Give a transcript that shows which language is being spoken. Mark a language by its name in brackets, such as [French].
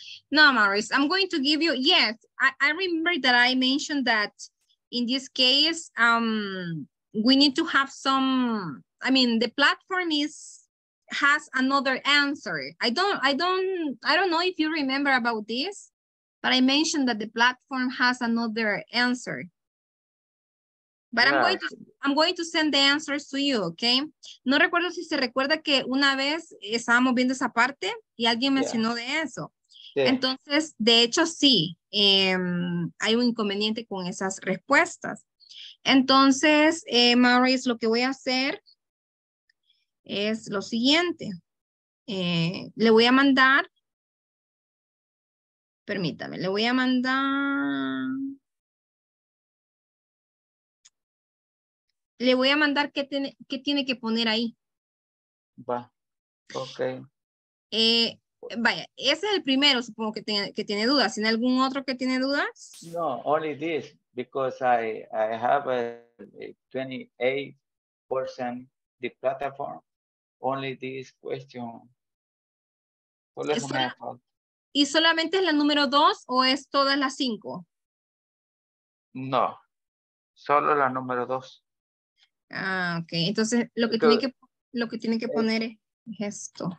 [English] No, Maurice, I'm going to give you, yes, I remember that I mentioned that in this case, we need to have some, I mean, the platform has another answer. I don't know if you remember about this. But I mentioned that the platform has another answer. But yeah. I'm going to send the answers to you, okay? [Spanish] No recuerdo si se recuerda que una vez estábamos viendo esa parte y alguien mencionó de eso. Yeah. Entonces, de hecho, sí, hay un inconveniente con esas respuestas. Entonces, Maurice, lo que voy a hacer es lo siguiente. Le voy a mandar, permítame, le voy a mandar, qué tiene que poner ahí. Va, ok. Vaya, ese es el primero, supongo que tiene dudas. ¿Tiene algún otro que tiene dudas? [English] No, only this, because I have a 28% the platform. Only this question. [Spanish] Solo es una. ¿Y solamente es la número 2 o es todas las 5? No, solo la número 2. Ah, ok. Entonces, lo que tiene que poner es esto.